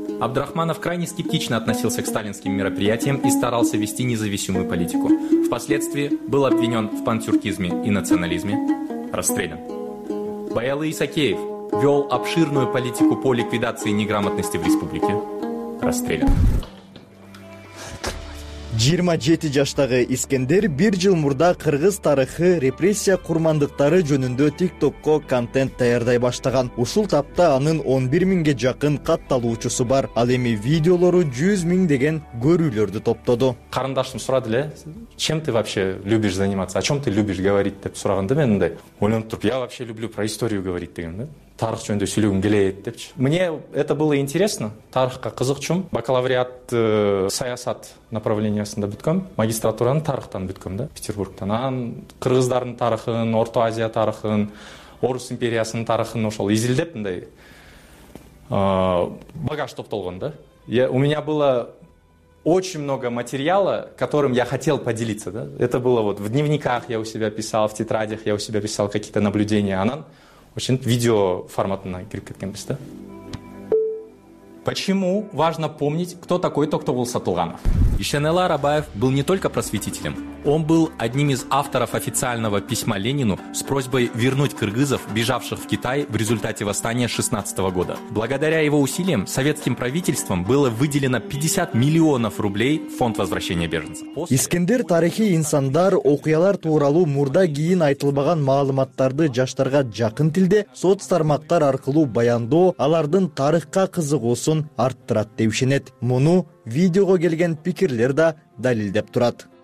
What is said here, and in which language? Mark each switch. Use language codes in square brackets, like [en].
[ru] Абдрахманов крайне скептично относился к сталинским мероприятиям и старался вести независимую политику. Впоследствии был обвинен в пантюркизме и национализме, расстрелян. Баялы Исакеев. Вел обширную политику по ликвидации неграмотности в республике. Расстрелян. [ky] 27 жаштагы Искендер бир жыл мурда кыргыз тарыхы, репрессия курмандыктары жөнүндө TikTok'ко контент даярдай баштаган. Ушул тапта анын 11 миңге жакын катталуучусу бар. Ал эми видеолору 100 миң деген көрүүлөрдү топтоду. Карындашым сурады эле: [ru] «Чем ты вообще любишь заниматься? О чем ты любишь говорить?» [ky] деп сураганда мен мындай ойлонуп туруп: [ru] «Я вообще люблю про историю говорить» [ky] деген да. Тарых жөнүндө сүйлөгүм келет депчи. [ru] Мне это было интересно. [ky] Тарыхка кызыкчум. Бакалавриат саясат направлениясында бүткөм. Магистратураны тарыхтан бүткөм да, Петербургтан. Анан кыргыздардын тарыхын, Орто Азия тарыхын, Орус империясынын тарыхын ошол изилдеп мындай багаж топтолгон да. [ru] У меня было очень много материала, которым я хотел поделиться, да. Это было вот в дневниках я у себя писал, в тетрадях я у себя писал какие-то наблюдения. [ky] Анан очень видео форматына кирип кеткенбиз да. [ru] Почему важно помнить, кто такой Токтогул Сатылганов? Ишенел Арабаев был не только просветителем. Он был одним из авторов официального письма Ленину с просьбой вернуть кыргызов, бежавших в Китай в результате восстания 16 года. Благодаря его усилиям советским правительством было выделено 50 миллионов рублей в фонд возвращения беженцев. [ky] Искендер тарихи инсандар, окуялар тууралуу мурда кийин айтылбаган маалыматтарды жаштарга жакын тилде соцтармактар аркылуу баяндоо алардын тарыхка кызыгуусун арттырат деп ишенет. Муну видеого келген пикирлер да далилдеп турат.